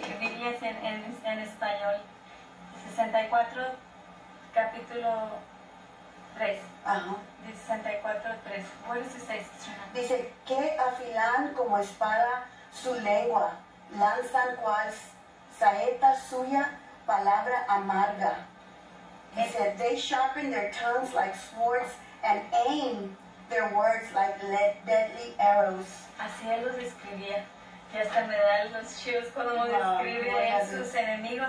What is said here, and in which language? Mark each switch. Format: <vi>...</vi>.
<es>Mi inglés en español, 64, capítulo 3. Uh-huh. 64:3. ¿Cuál es ese? Dice, que afilan como espada su lengua, lanzan cual saeta suya palabra amarga. Dice,</es> <en>they sharpen their tongues like swords and aim their words like deadly arrows.</en> <es>Así él los describía. Y hasta me da los chills cuando lo describe a sus enemigos.</es>